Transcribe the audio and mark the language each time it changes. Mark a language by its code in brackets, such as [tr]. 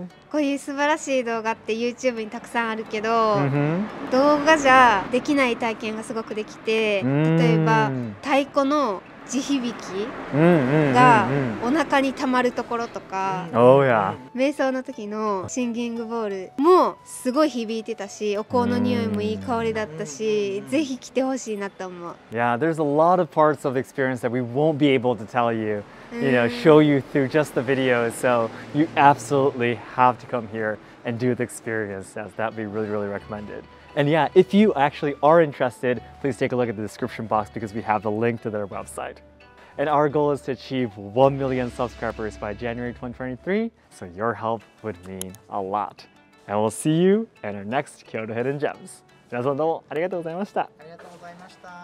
[ja] こういう素晴らしい動画って YouTube にたくさんあるけど、動画じゃできない体験がすごくできて、例えば太鼓の地響きがお腹にたまるところとか、瞑想の時のシンギングボールもすごい響いてたし、お香の匂いもいい香りだったし、ぜひ来てほしいなと思う。 [en] Yeah, there's a lot of parts of the experience that we won't be able to tell youyou know, show you through just the video. So you absolutely have to come here and do the experience, as that'd be really, really recommended. And yeah, if you actually are interested, please take a look at the description box because we have the link to their website. And our goal is to achieve 1 million subscribers by January 2023. So your help would mean a lot. And we'll see you in our next Kyoto Hidden Gems. [ja] 皆さんどうもありがとうございました。ありがとうございました。